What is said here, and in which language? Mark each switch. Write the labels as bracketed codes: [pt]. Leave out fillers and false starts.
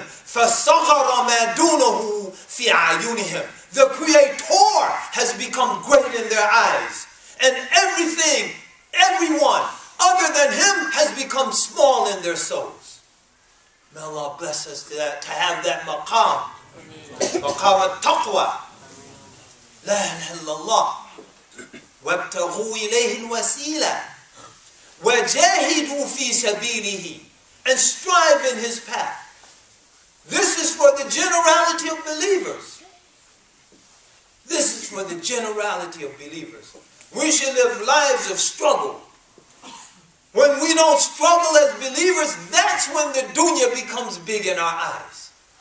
[ar] Fasagara madunahu fi ayunihim. [en] The creator has become great in their eyes. And everything, everyone other than him has become small in their souls. May Allah bless us to have that maqam. [ar] مقام التقوى لا إله إلا الله وابتغوا إليه الوسيلة وجاهدوا في سبيله [en] and strive in his path. This is for the generality of believers. This is for the generality of believers. We should live lives of struggle. When we don't struggle as believers, that's when the dunya becomes big in our eyes.